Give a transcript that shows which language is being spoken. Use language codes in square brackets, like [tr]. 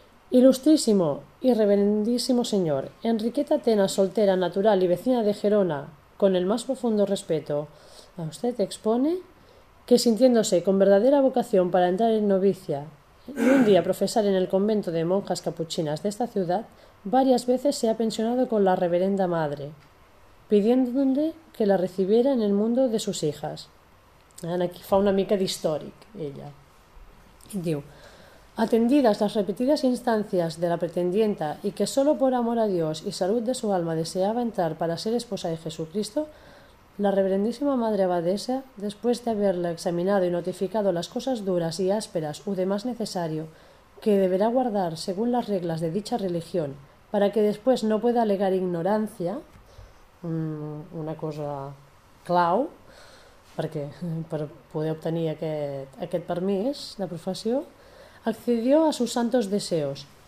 [es] Ilustrísimo y reverendísimo señor, Enriqueta Tena, soltera, natural y vecina de Gerona, con el más profundo respeto a usted expone que sintiéndose con verdadera vocación para entrar en novicia y un día profesar en el convento de monjas capuchinas de esta ciudad, varias veces se ha pensionado con la reverenda madre, pidiéndole que la recibiera en el mundo de sus hijas. [ca] Aquí fa una mica d'històric, ella. [es] Diu, atendidas las repetidas instancias de la pretendienta y que solo por amor a Dios y salud de su alma deseaba entrar para ser esposa de Jesucristo, la reverendísima madre abadesa, después de haberla examinado y notificado las cosas duras y ásperas u demás necesario que deberá guardar según las reglas de dicha religión para que después no pueda alegar ignorancia, [ca] una cosa clau perquè per poder obtenir aquest permís de professió, [es] accedió a sus santos deseos.